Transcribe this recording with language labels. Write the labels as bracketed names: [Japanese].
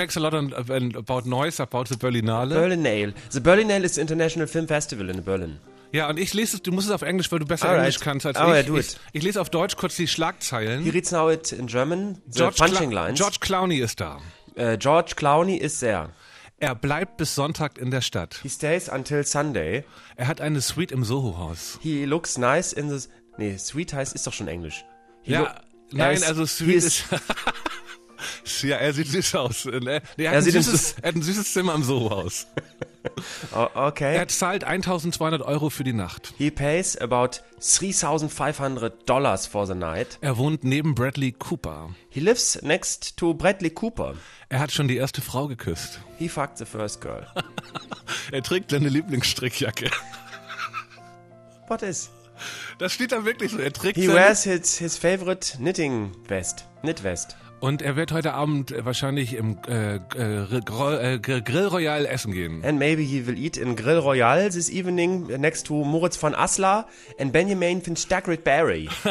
[English] Makes a lot of noise about the Berlinale. Berlinale. The Berlinale is an international film festival in Berlin. [German] Ja, und ich lese es, du musst es auf Englisch, weil du besser Englisch kannst als ich. Ich lese auf Deutsch kurz die Schlagzeilen. [English] Here it's now it in German. [German] George Clooney ist da. George Clooney ist er. Er bleibt bis Sonntag in der Stadt. [English] He stays until Sunday. [German] Er hat eine Suite im Soho House. [English] He looks nice in the... [German] Nee, Suite heißt, ist doch schon Englisch. Ja, er sieht süß aus. Er hat ein süßes Zimmer im Soho House. Okay. Er zahlt 1.200 Euro für die Nacht. [English] He pays about $3,500 for the night. [German] Er wohnt neben Bradley Cooper. [English] He lives next to Bradley Cooper. [German] Er hat schon die erste Frau geküsst. [English] He fucked the first girl. [German] Er trägt seine Lieblingsstrickjacke. [English] What is? [German] Das steht da wirklich so. Er trägt [English] He wears his favorite knitting vest. Knit vest. [German] Und er wird heute Abend wahrscheinlich im Grill Royal essen gehen. [English] And maybe he will eat in Grill Royal this evening next to Moritz von Assler and Benjamin von Stackrit-Barry.